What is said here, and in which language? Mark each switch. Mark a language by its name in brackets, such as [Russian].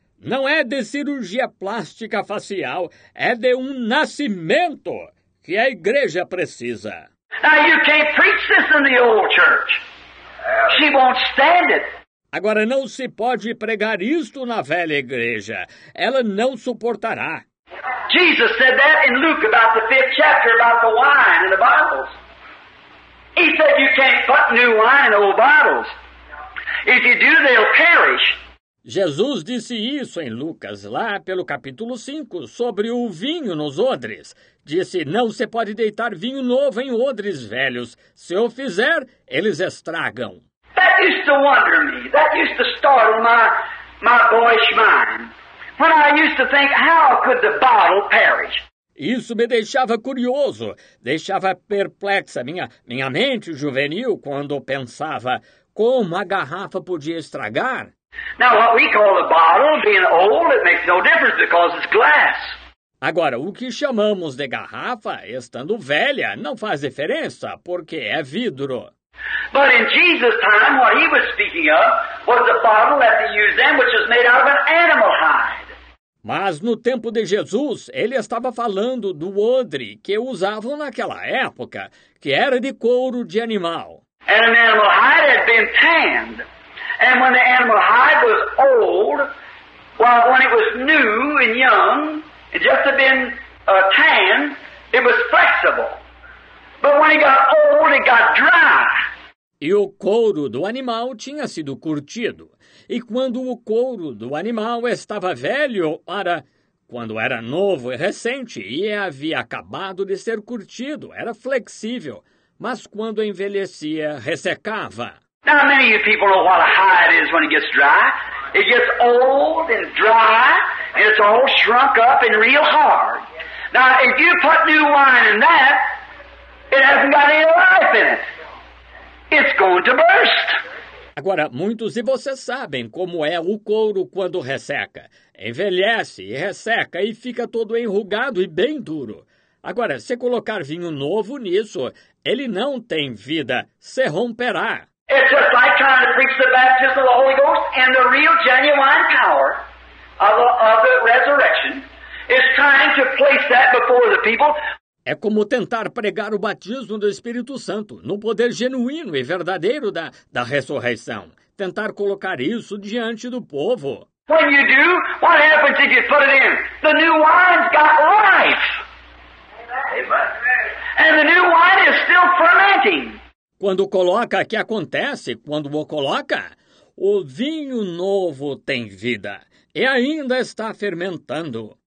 [Portuguese] Não é de cirurgia plástica facial. É de um nascimento que a igreja precisa. [English] Now you can't preach this in the old church. She won't stand it. [Portuguese] Agora, não se pode pregar isto na velha igreja. Ela não suportará. [English] Jesus said that in Luke about the fifth chapter about the wine and the bottles. He said you can't put new wine in old bottles. If you do, they'll perish. [Portuguese] Jesus disse isso em Lucas, lá pelo capítulo 5, sobre o vinho nos odres. Disse, não se pode deitar vinho novo em odres velhos. Se o fizer, eles estragam. [English] That used to wonder me. That used to startle my boyish mind. When I used to think, how could the bottle perish? [Portuguese] Isso me deixava curioso. Deixava perplexa minha mente juvenil quando pensava, como a garrafa podia estragar? [English] Now, what we call a bottle, being old, it makes no difference because it's glass. [Portuguese] Agora, o que chamamos de garrafa, estando velha, não faz diferença porque é vidro. [English] But in Jesus' time, what he was speaking of was the bottle that they used then, which was made out of an animal hide. [Portuguese] Mas no tempo de Jesus, ele estava falando do odre que usavam naquela época, que era de couro de animal. [English] And an animal hide had been tanned. And when the animal hide was old, well, when it was new and young, it just had been tanned, it was flexible. But when it got old, it got dry. [Portuguese] E o couro do animal tinha sido curtido. E quando o couro do animal estava velho, ora, quando era novo e recente, e havia acabado de ser curtido, era flexível. Mas quando envelhecia, ressecava. [English] Now many of you people know what a hide is when it gets dry. It gets old and dry, and it's all shrunk up and real hard. Now, if you put new wine in that, it hasn't got any life in it. It's going to burst. [Portuguese] Agora, muitos de vocês sabem como é o couro quando resseca. Envelhece e resseca e fica todo enrugado e bem duro. Agora, se colocar vinho novo nisso, ele não tem vida, se romperá. [English] It's just like trying to preach the baptism of the Holy Ghost and the real genuine power of the resurrection is trying to place that before the people. [Portuguese] É como tentar pregar o batismo do Espírito Santo no poder genuíno e verdadeiro da ressurreição. Tentar colocar isso diante do povo. [English] When you do, what happens if you put it in? The new wine's got life. Amen. And the new wine is still fermenting. [Portuguese] Quando coloca, que acontece? Quando o coloca, o vinho novo tem vida e ainda está fermentando.